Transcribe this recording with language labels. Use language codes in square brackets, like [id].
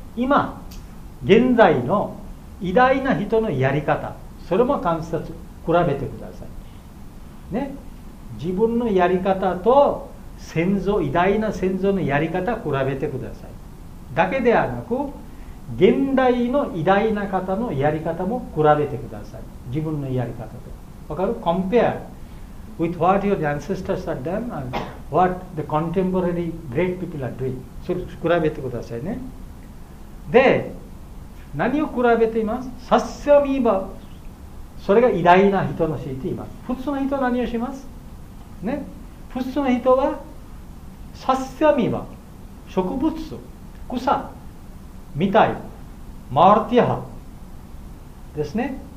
[ja] 今現在の偉大な人のやり方、それも観察比べてください。ね、自分のやり方と先祖、偉大な先祖のやり方を比べてくださいだけではなく、現代の偉大な方のやり方も比べてください。自分のやり方と、わかる？ [en] Compare with what your ancestors have done and what the contemporary great people are doing。 [ja] それを比べてくださいね。で、何を比べています？サッシャミーバ、それが偉大な人の人と言います。普通の人は何をします？ね、普通の人はサッシャミーバ、植物、草みたい、マーティハですね。